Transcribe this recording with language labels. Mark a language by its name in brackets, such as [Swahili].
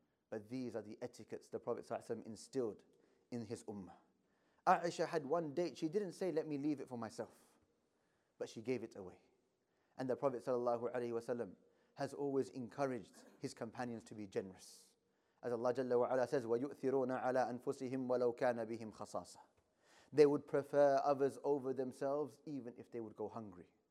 [English] But these are the etiquettes the Prophet ﷺ instilled in his ummah. Aisha had one date. She didn't say, let me leave it for myself. But she gave it away. And the Prophet ﷺ has always encouraged his companions to be generous. As Allah Jalla wa Ala says, [Arabic] وَيُؤْثِرُونَ عَلَىٰ أَنفُسِهِمْ وَلَوْ كَانَ بِهِمْ خَصَاصَةً. [English] They would prefer others over themselves even if they would go hungry.